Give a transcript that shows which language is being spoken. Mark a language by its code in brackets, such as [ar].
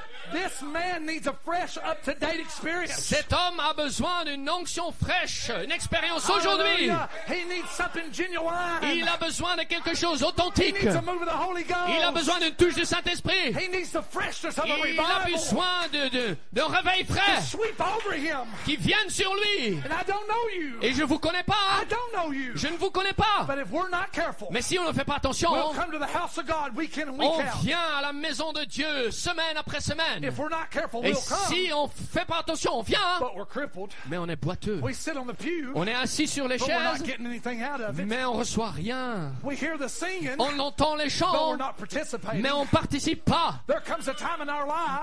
[en] This man needs a fresh, up-to-date experience. [fr] Cet homme a besoin d'une onction fraîche, une expérience aujourd'hui. [en] He needs something genuine. [fr] Il a besoin de quelque chose authentique. [en] He needs a move of the Holy Ghost. [fr] Il a besoin d'une touche du Saint-Esprit. [en] He needs the freshness of a revival. [fr] Il a besoin d'un réveil frais. [en] To sweep over him. [fr] Qui vienne sur lui. [en] And I don't know you. [fr] Et je vous connais pas. [en] I don't know you. [fr] Je ne vous connais pas. [en] But if we're not careful, [fr] mais si on ne fait pas attention, [en] we'll come to the house of God week in and week [fr] on [en] out. [fr] Vient à la maison de Dieu semaine après semaine. [en] If we're not careful, [fr] Et [en] we'll come. [fr] Si on fait pas attention, on vient. [en] But we're crippled. [fr] Mais on est boiteux. [en] We sit on the pew. [fr] On est assis sur les [en] but [fr] chaises. [en] We're not getting anything out of it. [fr] Mais on reçoit rien. [en] We hear the singing. [fr] On entend les chants. [en] But we're not participating. [fr] Mais on participe pas. [en] There comes a time in our life.